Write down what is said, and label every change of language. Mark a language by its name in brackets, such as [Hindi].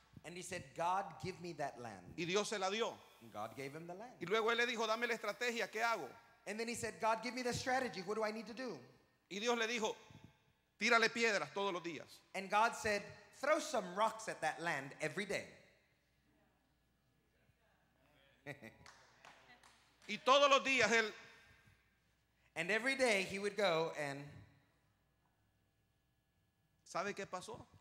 [English] And he said, God, give me that land. [Spanish] Y Dios se la dio. [English] And God gave him the land. [Spanish] Y luego él le dijo, dame la estrategia, ¿qué hago? [English] And then he said, God, give me the strategy. What do I need to do? [Spanish] Y Dios le dijo, tírale piedras todos los días. [English] And God said, throw some rocks at that land every day. [Spanish] Y todos los días él. [English] And every day he would go and. [Spanish] ¿Sabe qué pasó?